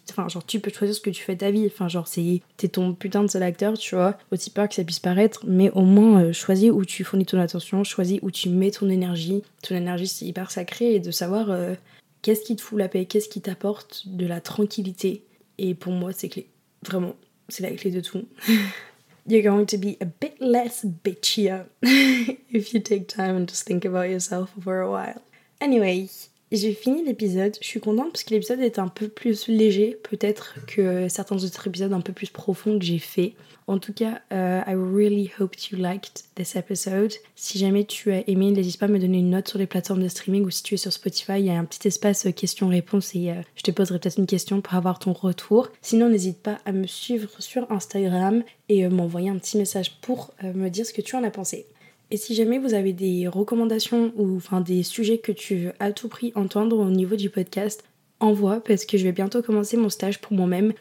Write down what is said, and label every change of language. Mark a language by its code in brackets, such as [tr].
[fr] Enfin, genre, tu peux choisir ce que tu fais de ta vie. Enfin, genre, c'est... T'es ton putain de seul acteur, tu vois. Aussi peur que ça puisse paraître, mais au moins, choisis où tu fournis ton attention, choisis où tu mets ton énergie. Ton énergie, c'est hyper sacré, et de savoir qu'est-ce qui te fout la paix, qu'est-ce qui t'apporte de la tranquillité. Et pour moi, c'est clé. Vraiment, c'est la clé de tout. [en] You're going to be a bit less bitchier if you take time and just think about yourself for a while. [fr] Anyway, j'ai fini l'épisode. Je suis contente parce que l'épisode est un peu plus léger, peut-être, que certains autres épisodes un peu plus profonds que j'ai fait. En tout cas, [en] I really hope you liked this episode. [fr] Si jamais tu as aimé, n'hésite pas à me donner une note sur les plateformes de streaming ou si tu es sur Spotify, il y a un petit espace questions-réponses et je te poserai peut-être une question pour avoir ton retour. Sinon, n'hésite pas à me suivre sur Instagram et m'envoyer un petit message pour me dire ce que tu en as pensé. Et si jamais vous avez des recommandations ou enfin, des sujets que tu veux à tout prix entendre au niveau du podcast, envoie parce que je vais bientôt commencer mon stage pour moi-même.